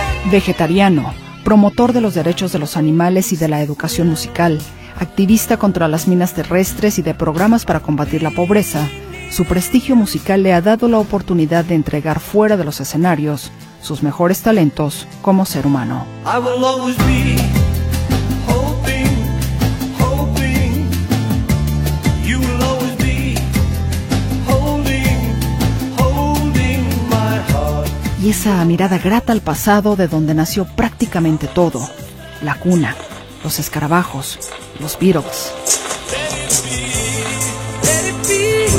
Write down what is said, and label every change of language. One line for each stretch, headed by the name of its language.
Spanish: Vegetariano, promotor de los derechos de los animales y de la educación musical, activista contra las minas terrestres y de programas para combatir la pobreza, su prestigio musical le ha dado la oportunidad de entregar fuera de los escenarios sus mejores talentos como ser humano.
English: I will always be hoping, hoping. You will always be holding, holding my heart.
Spanish: Y esa mirada grata al pasado de donde nació prácticamente todo. La cuna, los escarabajos, los Beatles.
English: Let it be.